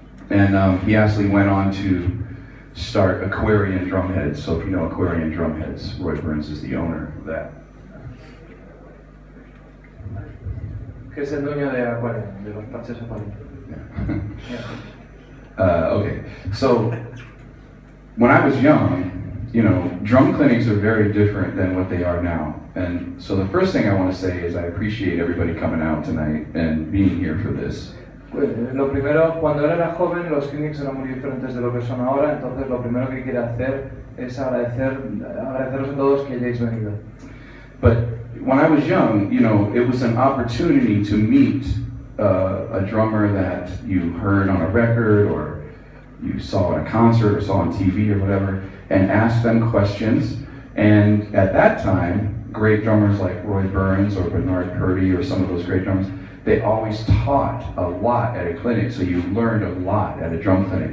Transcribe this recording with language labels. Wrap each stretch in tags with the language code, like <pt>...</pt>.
<en>And he actually went on to start Aquarian Drumheads. So if you know Aquarian Drumheads, Roy Burns is the owner of that.</en> <es>Que es el dueño de Aquarian, de los parches Aquarian.</es> <en>Okay, so when I was young, you know, drum clinics are very different than what they are now. And so the first thing I want to say is I appreciate everybody coming out tonight and being here for this.</en> <es>Pues, lo primero, cuando era joven, los clinics eran muy diferentes de lo que son ahora. Entonces, lo primero que quiero hacer es agradeceros a todos que hayáis venido.</es> <en>But when I was young, you know, it was an opportunity to meet a drummer that you heard on a record or you saw at a concert or saw on TV or whatever and ask them questions. And at that time, great drummers like Roy Burns or Bernard Purdy or some of those great drummers, they always taught a lot at a clinic, so you learned a lot at a drum clinic.</en>